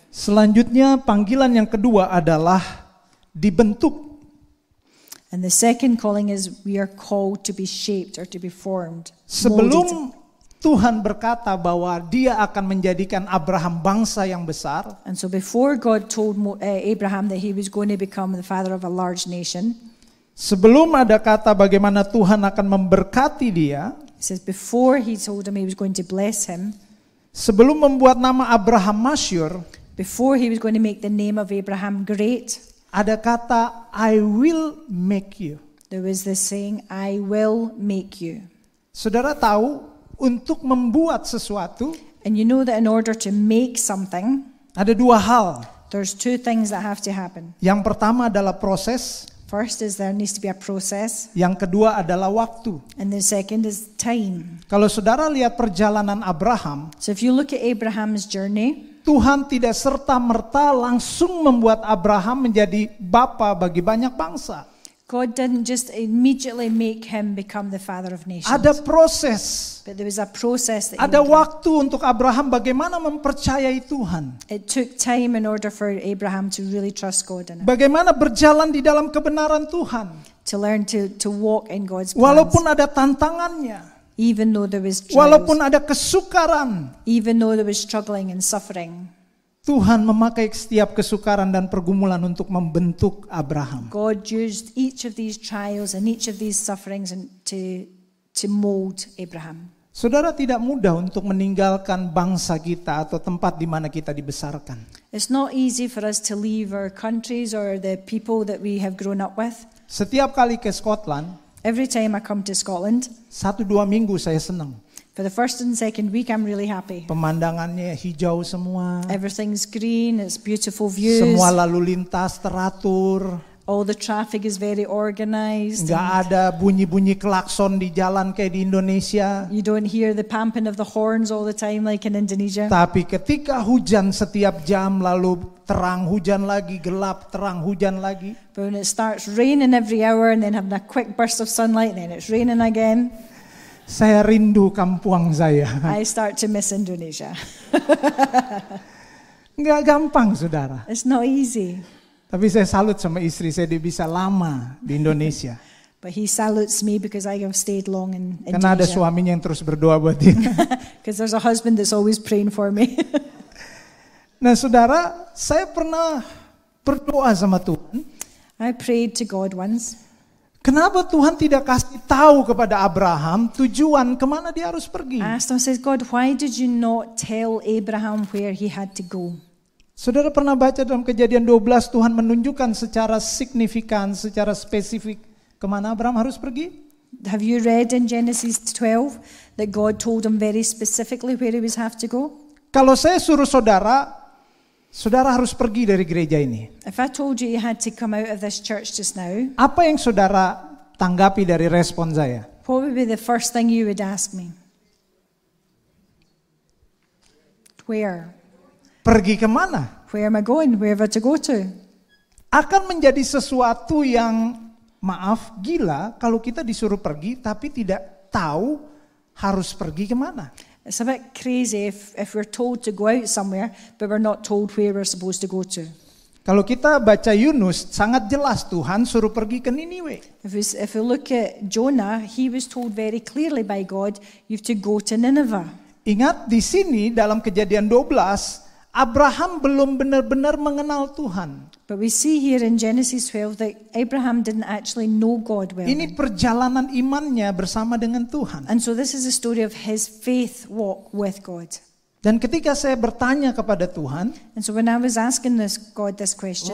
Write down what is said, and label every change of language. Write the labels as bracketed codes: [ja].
[id] Selanjutnya panggilan yang kedua adalah dibentuk. [en] And the second calling is we are called to be shaped or to be formed. [id] Sebelum Tuhan berkata bahwa dia akan menjadikan Abraham bangsa yang besar. [en] And so before God told Abraham that he was going to become the father of a large nation. [id] Sebelum ada kata bagaimana Tuhan akan memberkati dia. [en] It says before he told him he was going to bless him. [id] Sebelum membuat nama Abraham masyur. [en] Before he was going to make the name of Abraham great. [id] Ada kata [en] I will make you. There was the saying I will make you. [id] Saudara tahu untuk membuat sesuatu, [en] and you know that in order to make something, [id] ada dua hal. [en] There's two things that have to happen. [id] Yang pertama adalah proses. [en] First is there needs to be a process. [id] Yang kedua adalah waktu. [en] And the second is time. [id] Kalau saudara lihat perjalanan Abraham, [en] so if you look at Abraham's journey, [id] Tuhan tidak serta merta langsung membuat Abraham menjadi bapa bagi banyak bangsa. [en] God didn't just immediately make him become the father of nations. [id] Ada proses. [en] But there was a process that [id] ada waktu untuk Abraham bagaimana mempercayai Tuhan. [en] It took time in order for Abraham to really trust God in it. [id] Bagaimana berjalan di dalam kebenaran Tuhan. [en] To learn to walk in God's plans. [id] Walaupun ada tantangannya. [en] Even though there was trials, [id] walaupun ada kesukaran. [en] Even though there was struggling and suffering. [id] Tuhan memakai setiap kesukaran dan pergumulan untuk membentuk Abraham. [en] God used each of these trials and each of these sufferings to mold Abraham. [id] Saudara tidak mudah untuk meninggalkan bangsa kita atau tempat di mana kita dibesarkan. [en] It's not easy for us to leave our countries or the people that we have grown up with. [id] Setiap kali ke Scotland, [en] every time I come to Scotland, [id] 1-2 minggu saya senang. [en] For the first and second week, I'm really happy. [id] Pemandangannya hijau semua. [en] Everything's green, it's beautiful views. [id] Semua lalu lintas teratur. [en] All the traffic is very organized. [id] Enggak ada bunyi-bunyi klakson di jalan kayak di Indonesia. [en] You don't hear the pumping of the horns all the time like in Indonesia. [id] Tapi ketika hujan setiap jam lalu terang hujan lagi, gelap terang hujan lagi. [en] But when it starts raining every hour and then having a quick burst of sunlight, then it's raining again. [id] Saya rindu kampung saya. [en] I start to miss Indonesia. [id] Enggak gampang, saudara. [en] It's not easy. [id] Tapi saya salut sama istri saya, dia bisa lama di Indonesia. [en] But he salutes me because I have stayed long in Indonesia. [id] Karena ada suaminya yang terus berdoa buat dia. [en] Because there's a husband that's always praying for me. [id] Nah, saudara, saya pernah berdoa sama Tuhan. [en] I prayed to God once. [id] Kenapa Tuhan tidak kasih tahu kepada Abraham tujuan kemana dia harus pergi? [en] Aston says, God, why did you not tell Abraham where he had to go? [id] Saudara pernah baca dalam Kejadian 12 Tuhan menunjukkan secara signifikan, secara spesifik kemana Abraham harus pergi? [en] Have you read in Genesis 12 that God told him very specifically where he have to go? [id] Kalau saya suruh saudara, saudara harus pergi dari gereja ini. [en] If I told you had to come out of this church just now, [id] apa yang saudara tanggapi dari respon saya? [en] What would be the first thing you would ask me? Where? [id] Pergi kemana? [en] Where am I going? Where am I to go to? [id] Akan menjadi sesuatu yang, maaf, gila kalau kita disuruh pergi tapi tidak tahu harus pergi kemana. [en] It's a bit crazy if we're told to go out somewhere, but we're not told where we're supposed to go to. [id] Kalau kita baca Yunus, sangat jelas Tuhan suruh pergi ke Niniwe. [en] If we look at Jonah, he was told very clearly by God, you have to go to Nineveh. [id] Ingat di sini dalam Kejadian 12, Abraham belum benar-benar mengenal Tuhan. [en] But we see here in Genesis 12 that Abraham didn't actually know God well. [id] Ini perjalanan imannya bersama dengan Tuhan. [en] And so this is the story of his faith walk with God. [id] Dan ketika saya bertanya kepada Tuhan, [en] and so when I was asking this God this question,